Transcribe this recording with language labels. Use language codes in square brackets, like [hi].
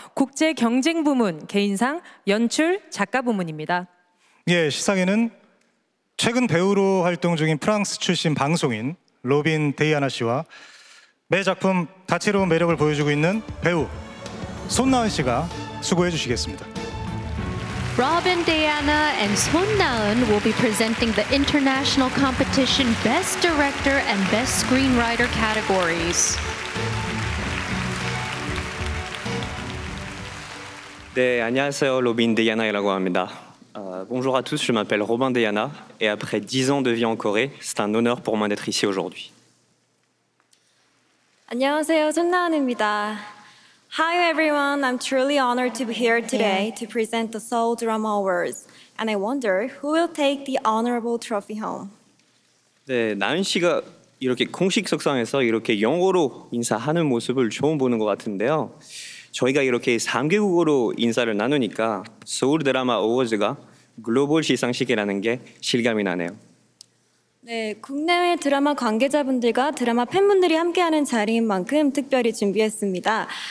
[ko] 국제 경쟁 부문 개인상 연출 작가 부문입니다. 예, 시상에는 최근 배우로 활동 중인 프랑스 출신 방송인 로빈 데이아나 씨와 매 작품 다채로운 매력을 보여주고 있는 배우 손나은 씨가 수고해 주시겠습니다. [en] Robin Diana and Son Naeun will be presenting the International Competition Best Director and Best Screenwriter categories. [ko] 네, 안녕하세요. 로빈 데이아나라고 합니다. [fr] Bonjour à tous. Je m'appelle Robin Diana et après 10 ans de vie en Corée, c'est un honneur pour moi d'être ici aujourd'hui. [ko] 안녕하세요. 손나은입니다. [en] Hi everyone, I'm truly honored to be here today to present the Seoul Drama Awards. And I wonder who will take the honorable trophy home. [ko] 네, 나은 씨가 이렇게 공식 석상에서 이렇게 영어로 인사하는 모습을 처음 보는 것 같은데요. 저희가 이렇게 3개국어로 인사를 나누니까 Seoul Drama Awards가 글로벌 시상식이라는 게 실감이 나네요. 네, 국내외 드라마 관계자분들과 드라마 팬분들이 함께하는 자리인 만큼 특별히 준비했습니다.